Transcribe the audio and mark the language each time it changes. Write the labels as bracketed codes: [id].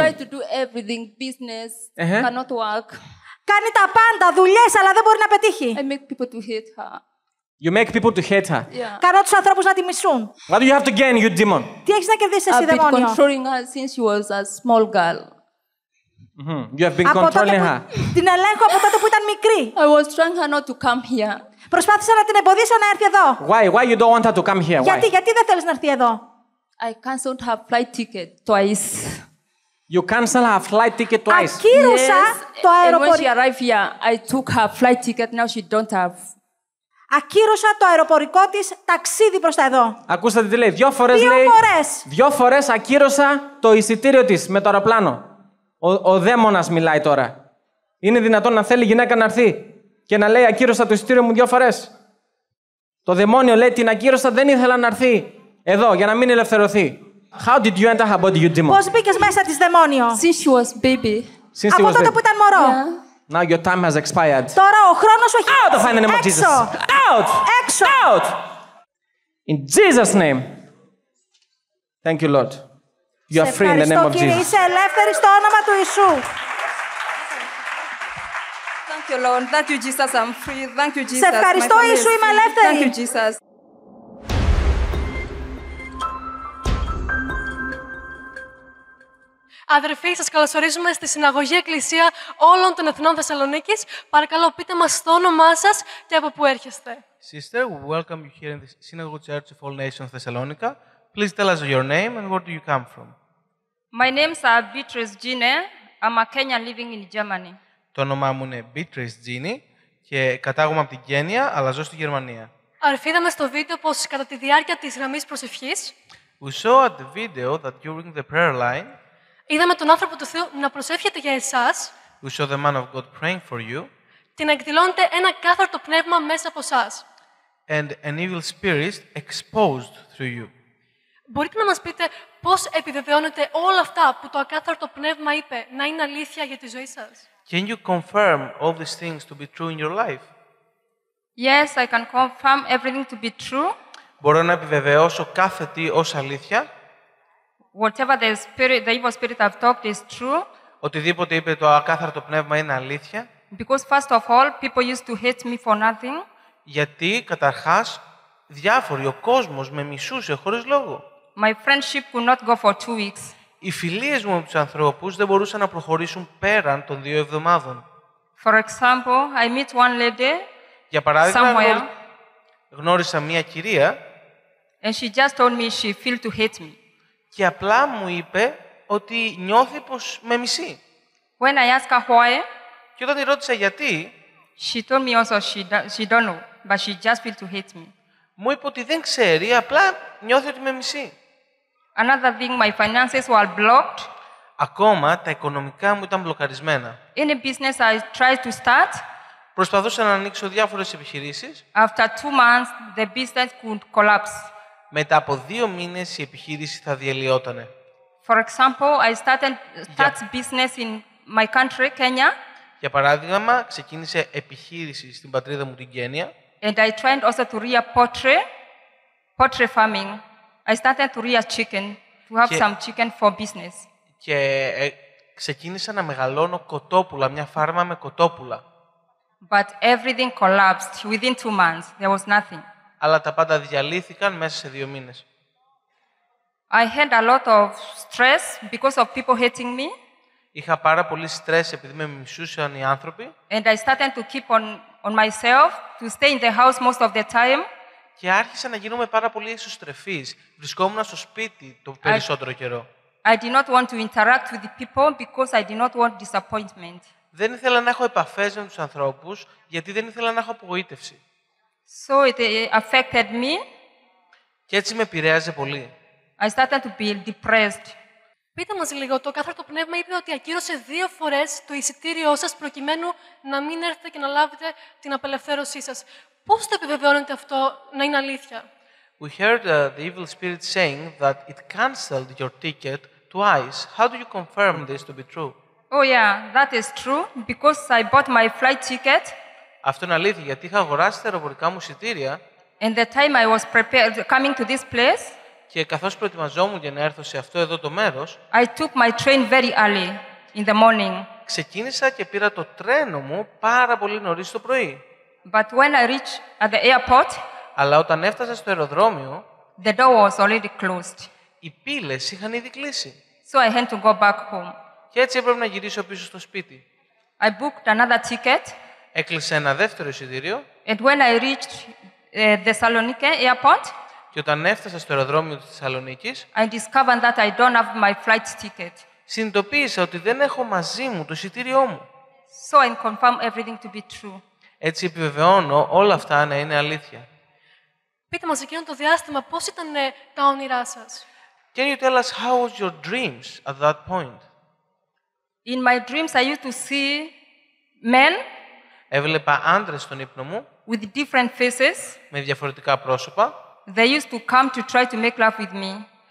[en] She tried to do everything, business, uh-huh. Cannot work. [el] Κάνει τα πάντα, δουλειές, αλλά δεν μπορεί να πετύχει. [en] I make people to hate her. You make people to hate her. Yeah. [el] Κάνω τους ανθρώπους να τη μισούν. [en] What do you have to gain, you demon? [el] Τι έχεις να κερδίσεις εσύ, δαιμόνιο? [en] I've been controlling her since she was a small girl. You have been controlling her. [el] Την ελέγχω από τότε που ήταν μικρή. [en] I was trying her not to come here. [el] Προσπάθησα να την εμποδίσω να έρθει εδώ. [en] Why you don't want her to come here? [el] Γιατί, γιατί δεν θέλεις να έρθει εδώ? [en] I canceled her flight ticket twice. You canceled her flight ticket twice. [el] Ακύρωσα το αεροπόριο. [en] When she arrived here, I took her flight ticket. Now she don't have. [el] Ακύρωσα το αεροπορικό της ταξίδι προς τα εδώ. Ακούστε τι λέει. Δύο φορές, δύο φορές ακύρωσα το εισιτήριο της με το αεροπλάνο. Ο δαίμονας μιλάει τώρα. Είναι δυνατόν να θέλει η γυναίκα να έρθει και να λέει ακύρωσα το εισιτήριο μου δύο φορές? Το δαιμόνιο λέει την ακύρωσα, δεν ήθελα να έρθει εδώ για να μην ελευθερωθεί. [en] How did you enter her body, you demon? [el] Πώς μπήκες μέσα της, δαιμόνιο? [en] Since she was baby. Since [el] από τότε [en] baby. [el] Που ήταν μωρό. [en] Yeah. Now your time has expired. [el] Τώρα ο χρόνος σου έχει [en] out of the name of Jesus. Out! [el] Έξω! [en] Out! In Jesus' name. Thank you, Lord. You are free in the name of Jesus. [el] Είσαι ελεύθερη στο όνομα του Ιησού. [en] Thank you, Lord. Thank you, Jesus. I'm free. Thank you, Jesus. [el] Σε ευχαριστώ, Ιησού. Είμαι ελεύθερη. [en] Thank you, Jesus. [el] Αδερφοί, σας καλωσορίζουμε στη Συναγωγή Εκκλησία όλων των Εθνών Θεσσαλονίκης. Παρακαλώ, πείτε μας το όνομά σας και από πού έρχεστε. [en] Sister, we welcome you here in the Synagogue Church of All Nations Thessalonica. Please tell us your name and where do you come from. My name's are Beatrice Gine. I'm a Kenyan living in Germany. [el] Το όνομά μου είναι Beatrice Gine και κατάγομαι από την Κένια, αλλά ζω στη Γερμανία. Αδερφοί, είδαμε στο βίντεο πως κατά τη διάρκεια της γραμμής προσευχής. [en] We saw at the video that during the prayer line. [el] Είδαμε τον άνθρωπο του Θεού να προσεύχεται για εσάς. [en] We saw the man of God praying for you. [el] Και να εκδηλώνεται ένα κάθαρτο πνεύμα μέσα από εσάς. [en] And an evil spirit exposed through you. [el] Μπορείτε να μας πείτε πώς επιβεβαιώνετε όλα αυτά που το ακάθαρτο πνεύμα είπε να είναι αλήθεια για τη ζωή σας? [en] Can you confirm all these things to be true in your life? Yes, I can confirm everything to be true. [el] Μπορώ να επιβεβαιώσω κάθε τι ως αλήθεια. [en] Whatever the spirit, the evil spirit I've talked is true. [el] Οτιδήποτε είπε το ακάθαρτο πνεύμα είναι αλήθεια. [en] Because first of all, people used to hate me for nothing. [el] Γιατί καταρχάς διάφοροι, ο κόσμος με μισούσε χωρίς λόγο. [en] My friendship could not go for 2 weeks. [el] Οι φιλίες μου με τους ανθρώπους δεν μπορούσαν να προχωρήσουν πέραν των 2 εβδομάδων. [en] For example, I meet one lady. [el] Για παράδειγμα, [en] somewhere. [el] Γνώρισα μια κυρία. [en] And she just told me she feel to hate me. [el] Και απλά μου είπε ότι νιώθει πως με μισεί. [en] When I ask her why, [el] και όταν τη ρώτησα γιατί, [en] she told me also she don't know, but she just feel to hate me. [el] Μου είπε ότι δεν ξέρει, απλά νιώθει ότι με μισεί. [en] Another thing, my finances were blocked. [el] Ακόμα τα οικονομικά μου ήταν μπλοκαρισμένα. [en] In a business I tried to start. [el] Προσπαθούσα να ανοίξω διάφορες επιχειρήσεις. [en] After 2 months, the business could collapse. [el] Μετά από 2 μήνες η επιχείρηση θα διαλυότανε. [en] For example, I started business in my country, Kenya. [el] Για παράδειγμα, ξεκίνησε επιχείρηση στην πατρίδα μου την Κένια. [en] And I tried also to rear poultry farming. I started to rear chicken to have some chicken for business. [el] Και ξεκίνησα να μεγαλώνω κοτόπουλα, μια φάρμα με κοτόπουλα. [en] But everything collapsed within 2 months. There was nothing. [el] Αλλά τα πάντα διαλύθηκαν μέσα σε 2 μήνες. [en] I had a lot of stress because of people hating me. [el] Είχα πάρα πολύ στρες επειδή με μισούσαν οι άνθρωποι. [en] And I started to keep on myself to stay in the house most of the time. [el] Και άρχισα να γίνομαι πάρα πολύ εσωστρεφής. Βρισκόμουν στο σπίτι το περισσότερο καιρό. [en] I did not want to interact with the people because I did not want disappointment. [el] Δεν ήθελα να έχω επαφές με τους ανθρώπους γιατί δεν ήθελα να έχω απογοήτευση. [en] So it affected me. [el] Και έτσι με επηρέαζε πολύ. [en] I started to be depressed. [el] Πείτε μας λίγο, το κάθαρτο πνεύμα είπε ότι ακύρωσε δύο φορές το εισιτήριό σας προκειμένου να μην έρθετε και να λάβετε την απελευθέρωσή σας. Πώς το επιβεβαιώνετε αυτό να είναι αλήθεια? [en] We heard the evil spirit saying that it cancelled your ticket twice. How do you confirm this to be true? Oh yeah, that is true because I bought my flight ticket. [el] Αυτό είναι αλήθεια γιατί είχα αγοράσει τα αεροπορικά μου εισιτήρια. [en] And the time I was prepared coming to this place. [el] Και καθώς προετοιμαζόμουν για να έρθω σε αυτό εδώ το μέρος. [en] I took my train very early in the morning. [el] Ξεκίνησα και πήρα το τρένο μου πάρα πολύ νωρίς το πρωί. [en] But when I reached at the airport. [el] Αλλά όταν έφτασα στο αεροδρόμιο, [en] the door was already closed. [el] Οι πύλες είχαν ήδη κλείσει. [en] So I had to go back home. [el] Και έτσι έπρεπε να γυρίσω πίσω στο σπίτι. [en] I booked another ticket. [el] Έκλεισα ένα δεύτερο εισιτήριο. [en] And when I reached Thessaloniki airport, [el] και όταν έφτασα στο αεροδρόμιο της Θεσσαλονίκης, [en] I discovered that I don't have my flight ticket. [el] Συνειδητοποίησα ότι δεν έχω μαζί μου το εισιτήριό μου. [en] So I confirm everything to be true. [el] Έτσι επιβεβαιώνω όλα αυτά να είναι αλήθεια. Πείτε μας, εκείνο το διάστημα, πώς ήταν τα όνειρά σας? [en] Can you tell us how was your dreams at that point? In my dreams, I used to see men. [el] Έβλεπα άντρες στον ύπνο μου. [en] With different faces. [el] Με διαφορετικά πρόσωπα. [en] They used to come to try to make love with me.